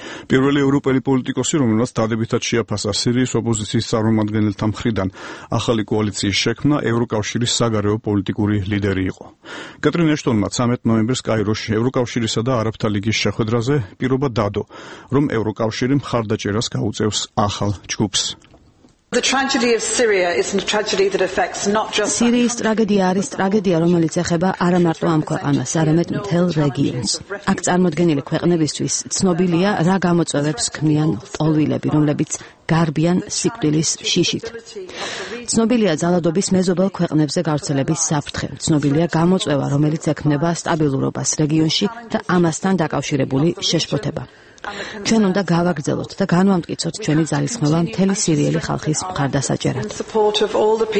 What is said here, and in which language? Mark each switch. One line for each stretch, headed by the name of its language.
Georgian: პირველი ევროპელი პოლიტიკოსი, რომელმაც დადებითად შეაფასა სირიის ოპოზიციის წარმომადგენელთა მხრიდან ახალი კოალიციის შექმნა, ევროკავშირის საგარეო პოლიტიკური ლიდერი იყო. კეტრინ ეშტონმა 13 ნოემბერს კაიროში ევროკავშირისა და არაბთა ლიგის შეხვედრაზე პირობა დადო, რომ ევროკავშირი მხარდაჭერას გაუწევს ახალ ჯგუფს.
English: The tragedy of Syria is a tragedy that affects not just Syria's tragedy
Georgian: არის ტრაგედია რომელიც ეხება არამარტო ამ ქვეყანას არამედ მთელ რეგიონს აქ წარმოქმნილი ქვეყნებისთვის ცნობილია რა გამოწვევებს ქმნიან ტოლვილები რომლებიც გარბიან სიკვდილის შიშით ცნობილია ძალადობის მეზობელ ქვეყნებზე გავრცელების საფრთხე ცნობილია გამოწვევა რომელიც ექმნება სტაბილურობას რეგიონში და ამასთან დაკავშირებული შეშფოთება ჩვენ უნდა გავაგრძელოთ და განვამტკიცოთ ჩვენი ძალისხმევა მთელი სირიელი ხალხის მხარდასაჭერად.